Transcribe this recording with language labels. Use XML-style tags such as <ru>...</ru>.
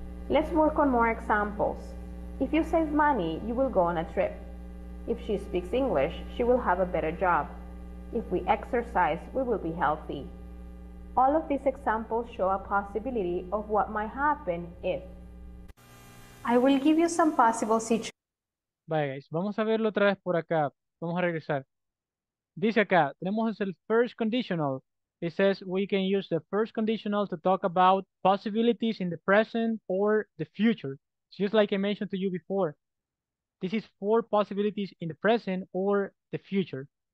<en>Let's work on more examples. If you save money, you will go on a trip. If she speaks English, she will have a better job. If we exercise, we will be healthy. All of these examples show a possibility of what might happen if. I will give you some possible situations.</en> <es>Vaya, guys, vamos a verlo otra vez por acá. Vamos a regresar. Dice acá, tenemos el first conditional.</es> <en>It says we can use the first conditional to talk about possibilities in the present or the future. It's just like I mentioned to you before. This is four possibilities in the present or the future.</en>